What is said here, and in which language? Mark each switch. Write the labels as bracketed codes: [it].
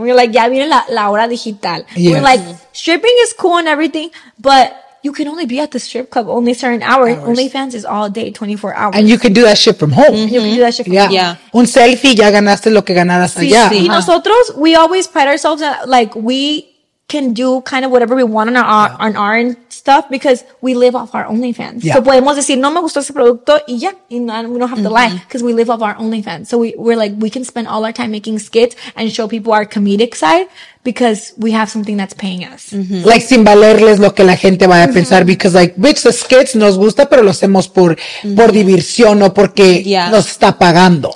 [en] We're like, [es] ya viene la hora digital. [en] Yes. We're like, stripping is cool and everything, but you can only be at the strip club only certain hours. OnlyFans is all day, 24 hours. And you can do that shit from home. Mm-hmm. You can do that shit from yeah. home. [es] Yeah. Un selfie, ya ganaste lo que ganaras allá. Sí, sí. [en] Uh-huh. [es] Y nosotros, [en] we always pride ourselves that, like, we can do kind of whatever we want on our yeah. on our stuff because we live off our OnlyFans. [es] Yeah. So podemos decir, no me gustó ese producto, y ya. [en] Yeah, and we don't have to mm-hmm. lie because we live off our OnlyFans. So we're like, we can spend all our time making skits and show people our comedic side because we have something that's paying us. [es] Mm-hmm. Like, sin valerles lo que la gente vaya a pensar mm-hmm. [en] because, like, bitch, the skits [es] nos gusta, pero lo hacemos por, mm-hmm. por diversión o porque yeah. nos está pagando.